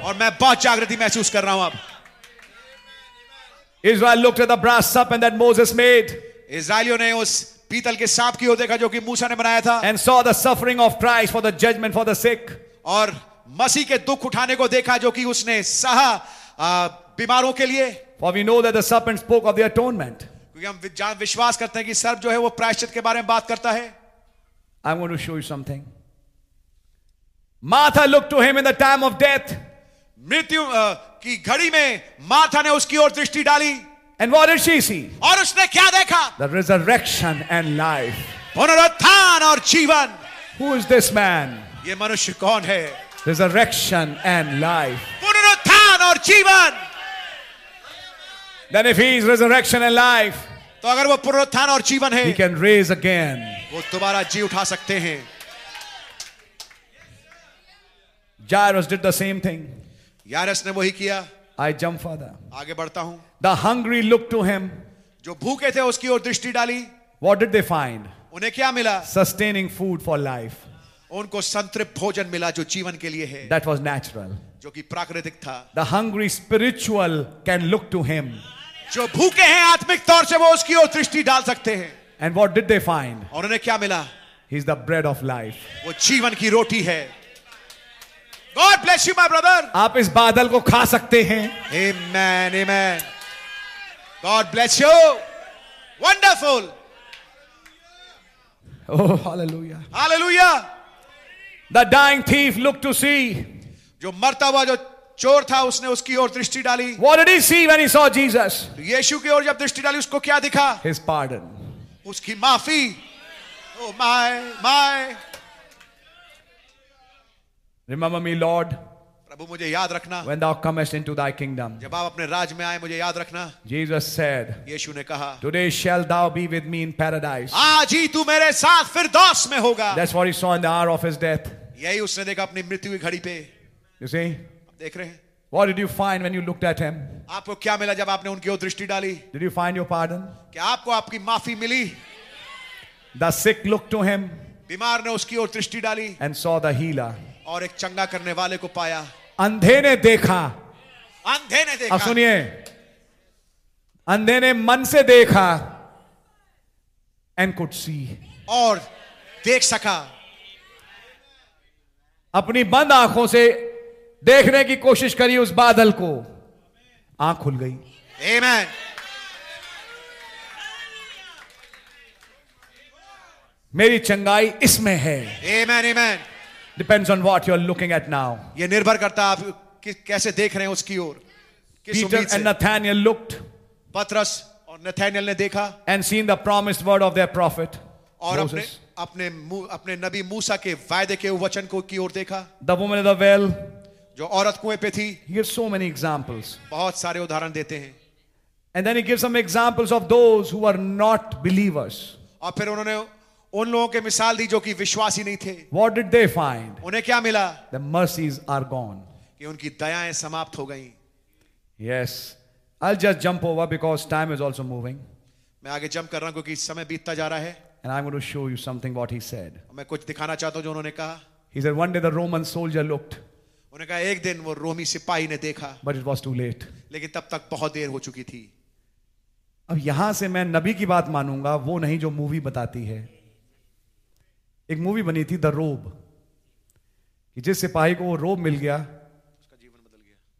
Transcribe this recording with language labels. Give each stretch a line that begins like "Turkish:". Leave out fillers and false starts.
Hindi: और मैं बहुत जागृति महसूस कर रहा हूं अब.
English: Israel looked at the brass serpent that Moses made.
Hindi: इज़राइलियों ने उस पीतल के सांप की ओर देखा जो कि मूसा ने बनाया था.
English: And saw the suffering of Christ for the judgment for the sick.
Hindi: और मसीह के दुख उठाने को देखा जो कि उसने सहा बीमारों के लिए.
English: For we know that the serpent spoke of the atonement.
Hindi: क्योंकि हम विश्वास करते हैं कि सर्प जो है वो प्रायश्चित के बारे में बात करता है.
English: I want to show you something. Martha looked to him in the time of death.
Hindi: मृत्यु की घड़ी में मार्था ने उसकी ओर दृष्टि डाली.
English: And what did she see?
Hindi: और उसने क्या देखा?
English: The resurrection and life.
Hindi: पुनरुत्थान और जीवन.
English: Who is this man?
Hindi: ये मनुष्य कौन है?
English: Resurrection and life.
Hindi: पुनरुत्थान और जीवन.
English: Then if he is resurrection and life,
Hindi: तो अगर वो पुनरुत्थान और जीवन है,
English: he can raise again.
Hindi: वो दोबारा जी उठा सकते हैं.
English: Jairus did the same thing.
Hindi: Jairus ने वही किया.
English: I jump further.
Hindi: आगे बढ़ता हूँ.
English: The hungry looked to him.
Hindi: जो भूखे थे उसकी ओर दृष्टि डाली.
English: What did they find?
Hindi: उन्हें क्या मिला?
English: Sustaining food for life.
Hindi: उनको संतृप्त भोजन मिला जो जीवन के लिए है.
English: That was natural.
Hindi: जो कि प्राकृतिक था.
English: The hungry spiritual can look to him.
Hindi: जो भूखे हैं आत्मिक तौर से वो उसकी ओर दृष्टि डाल सकते हैं.
English: And what did they find?
Hindi: और उन्हें क्या मिला?
English: He's the bread of life.
Hindi: वो जीवन की रोटी है.
English: God bless you, my brother.
Hindi: आप इस बादल को खा सकते हैं.
English: Amen, amen. God bless you. Wonderful. Oh, hallelujah. Hallelujah. The dying thief looked to see.
Hindi: जो मरता हुआ जो चोर था उसने उसकी ओर दृष्टि डाली.
English: What did he see when he saw Jesus?
Hindi: यीशु की ओर जब दृष्टि डाली उसको क्या दिखा?
English: His pardon.
Hindi: उसकी माफी.
English: Oh my, my. Remember me, Lord.
Hindi: प्रभु मुझे याद रखना.
English: When thou comest into thy kingdom.
Hindi: जब आप अपने राज में आए मुझे याद रखना.
English: Jesus said.
Hindi: यीशु ने कहा.
English: Today shall thou be with me in paradise.
Hindi: आज ही तू मेरे साथ फिरदौस में होगा.
English: That's what he saw in the hour of his death.
Hindi: यही उसने देखा अपनी मृत्यु की घड़ी पे.
English: You see?
Hindi: देख रहे हैं.
English: What did you find when you looked at him?
Hindi: आपको क्या मिला जब आपने उनकी ओर दृष्टि डाली?
English: Did you find your pardon?
Hindi: क्या आपको आपकी माफी मिली?
English: The sick looked to him.
Hindi: बीमार ने उसकी ओर दृष्टि डाली.
English: And saw the healer.
Hindi: और एक चंगा करने वाले को पाया. अंधे ने देखा. अब सुनिए. अंधे ने मन से देखा
English: and could see.
Hindi: और देख सका. अपनी बंद आंखों से देखने की कोशिश करी उस बादल को. आंख खुल गई.
English: Amen.
Hindi: मेरी चंगाई इसमें है.
English: Amen, amen. Depends on what you are looking at now.
Hindi: ये निर्भर करता है आप कैसे देख रहे हैं उसकी ओर.
English: Peter and Nathaniel looked.
Hindi: पतरस और नथैनियल ने देखा.
English: And seen the promised word of their prophet.
Hindi: और अपने नबी मूसा के वायदे के वचन को की ओर देखा.
English: The woman at the well.
Hindi: जो औरत कुएं पे थी.
English: He gives so many examples.
Hindi: बहुत सारे उदाहरण देते हैं.
English: And then he gives some examples of those who are not believers.
Hindi: और फिर उन्होंने उन लोगों के मिसाल दी जो कि विश्वासी नहीं थे.
English: What did they find?
Hindi: उन्हें क्या मिला?
English: The mercies are gone.
Hindi: कि उनकी दयाएं समाप्त हो गईं.
English: Yes, I'll just jump over because time is also moving.
Hindi: मैं आगे जंप कर रहा हूं क्योंकि समय बीतता जा रहा है.
English: And I'm going to show you something what he said.
Hindi: मैं कुछ दिखाना चाहता हूं जो उन्होंने कहा.
English: He said one day the Roman soldier looked.
Hindi: उन्हें कहा एक दिन वो रोमी सिपाही ने देखा.
English: But it was too late.
Hindi: लेकिन तब तक बहुत देर हो चुकी थी. अब यहां से मैं नबी की बात मानूंगा वो नहीं जो मूवी बताती है. एक मूवी बनी थी द रोब, कि जिस सिपाही को वो रोब मिल गया उसका जीवन बदल गया.